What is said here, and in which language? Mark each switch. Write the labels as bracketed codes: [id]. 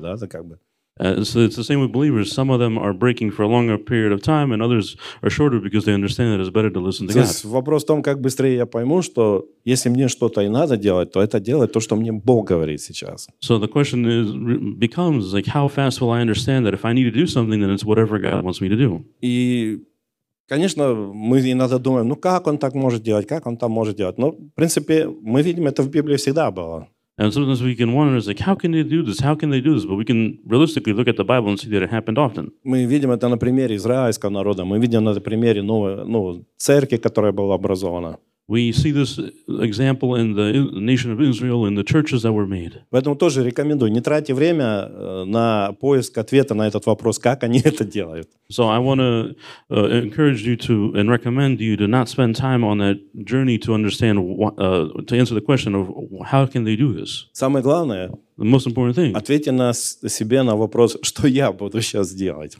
[ru] Да, это как бы. [en] So it's the same with believers. Some of them are breaking for a longer period of time, and others are shorter because they understand that it's better to listen to God. [ru] То есть вопрос в том, как быстрее я пойму, что если мне что-то и надо делать, то это делать то, что мне Бог говорит сейчас. [en] So the question is, becomes like, how fast will I understand that if I need to do something, then it's whatever God wants me to do. [ru] И, конечно, мы иногда думаем, ну как он так может делать, как он там может делать. Но в принципе мы видим, это в Библии всегда было. [en] And sometimes we can wonder, like, how can they do this? How can they do this? But we can realistically look at the Bible and see that it happened often. [ru] Мы видим это на примере израильского народа. Мы видим на примере церкви, которая была образована. [en] We see this example in the nation of Israel in the churches that were made. [ru] Поэтому тоже рекомендую не тратьте время на поиск ответа на этот вопрос, как они это делают. [en] So I want to encourage you to and recommend you to not spend time on that journey to understand to answer the question of how can they do this. [ru] Самое главное. [en] The most important thing. [ru] Ответьте на себе на вопрос, что я буду сейчас делать.